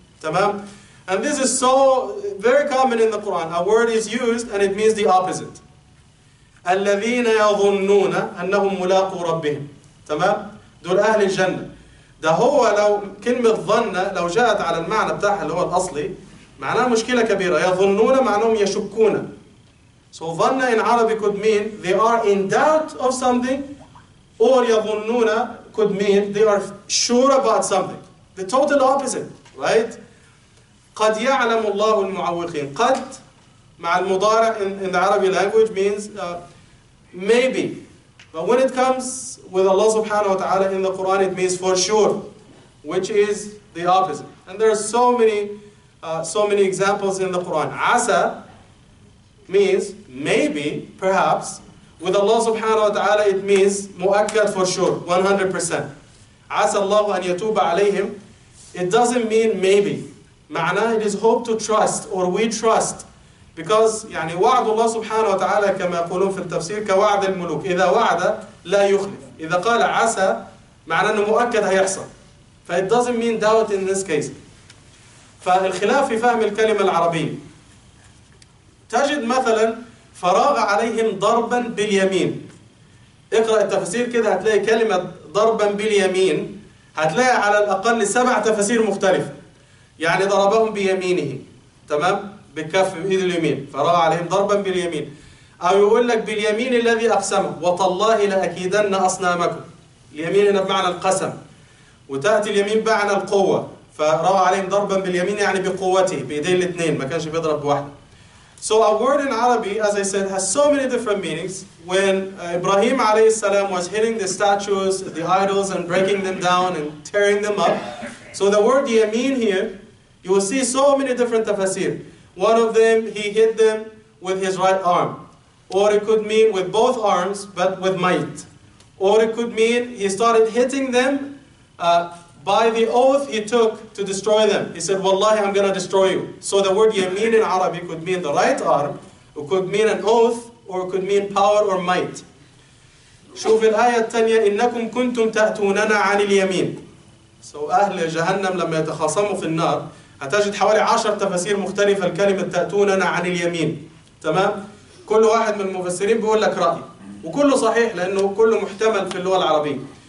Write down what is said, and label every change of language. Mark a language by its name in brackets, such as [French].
[English] تمام؟ And this is so very common in the Quran. A word is used and it means the opposite. [Arabic] الذين يظنون أنهم ملاقوا ربهم. تمام؟ دول أهل الجنة. ده هو لو كلمة ظن لو جاءت على المعنى بتاعها اللي هو الأصلي معناه مشكلة كبيرة. يظنون معناهم يشكون. [English] So ظن in Arabic could mean they are in doubt of something, or يظنون could mean they are sure about something. The total opposite, right? [Arabic] قد يعلم الله المعوقين. قد مع المضارع [English] in the Arabic language means maybe. But when it comes with Allah subhanahu wa ta'ala in the Quran, it means for sure, which is the opposite. And there are so many examples in the Quran. عسى means maybe, perhaps. With Allah subhanahu wa ta'ala, it means مؤكد for sure, 100%. [Arabic] عسى الله أن يتوب عليهم. [English] It doesn't mean maybe. معنى it is hope to trust, or we trust. [Arabic] Because يعني وعد الله سبحانه وتعالى كما يقولون في التفسير كوعد الملوك. إذا وعد لا يخلف. إذا قال عسى معنى أنه مؤكد هيحصل. [English] فit doesn't mean doubt in this case. [Arabic] فالخلاف في فهم الكلمة العربية. تجد مثلا فراغ عليهم ضربا باليمين. اقرأ التفسير كده هتلاقي كلمة ضربا باليمين هتلاقي على الأقل 7 تفسير مختلفة. يعني ضربهم بيمينه. تمام؟ بكف بإيد اليمين. فراغ عليهم ضربا باليمين. أو يقول لك باليمين الذي أقسمه. وتالله لأكيدن أصنامكم. اليمين هنا بمعنى القسم. وتأتي اليمين بمعنى القوة. فراغ عليهم ضربا باليمين يعني بقوته. بإيدين الاثنين. ما كانش بيضرب بواحدة. [English] So a word in Arabic, as I said, has so many different meanings. When Ibrahim alayhi salam was hitting the statues, the idols, and breaking them down and tearing them up. So the word yameen here, you will see so many different tafsir. One of them, he hit them with his right arm. Or it could mean with both arms, but with might. Or it could mean he started hitting them by the oath he took to destroy them. He said, Wallahi, I'm going to destroy you. So the word yameen in Arabic could mean the right arm, it could mean an oath, or it could mean power or might. [Arabic] شوف الآية التانية, إنكم كنتم تأتوننا عن اليمين. So أهل جهنم لما يتخاصموا في النار, هتجد حوالي 10 تفسير مختلفة لكلمة تأتوننا عن اليمين. تمام؟ كل واحد من المفسرين بيقول لك رأي. وكله صحيح لأنه كله محتمل في اللغة العربية.